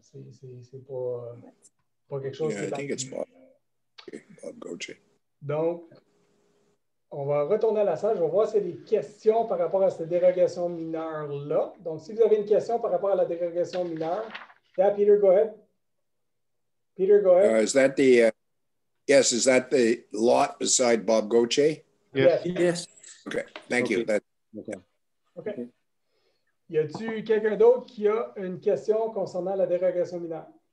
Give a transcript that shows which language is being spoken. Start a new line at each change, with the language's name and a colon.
French: C'est pas quelque chose...
English: Yeah, I think it's Bob Gauthier.
French: Donc, on va retourner à la salle. Je vais voir s'il y a des questions par rapport à cette dérogation mineure-là. Donc, si vous avez une question par rapport à la dérogation mineure...
English: Yeah, Peter, go ahead. Is that the... yes, is that the lot beside Bob Gauthier? Yes. Okay. Thank you. Okay.
French: Y a-tu quelqu'un d'autre qui a une question concernant la dérogation mineure?